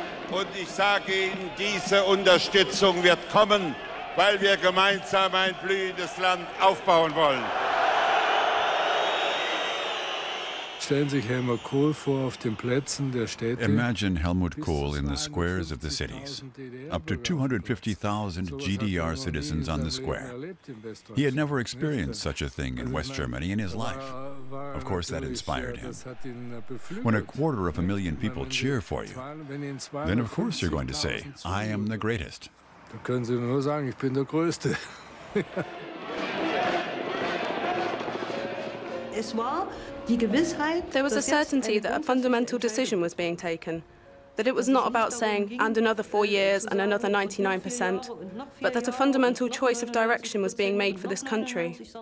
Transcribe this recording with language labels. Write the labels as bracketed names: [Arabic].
[German] Und ich sage Ihnen, diese Unterstützung wird kommen, weil wir gemeinsam ein blühendes Land aufbauen wollen. Stellen sich Helmut Kohl vor auf den Plätzen der Städte. [English] Imagine Helmut Kohl in the squares of the cities. Up to 250,000 GDR citizens on the square. He had never experienced such a thing in West Germany in his life. Of course, that inspired him. When a quarter of a million people cheer for you, then of course you're going to say, I am the greatest. [German] Da können Sie nur sagen, ich bin der Größte. [English] There was a certainty that a fundamental decision was being taken, that it was not about saying, and another 4 years and another 99%, but that a fundamental choice of direction was being made for this country.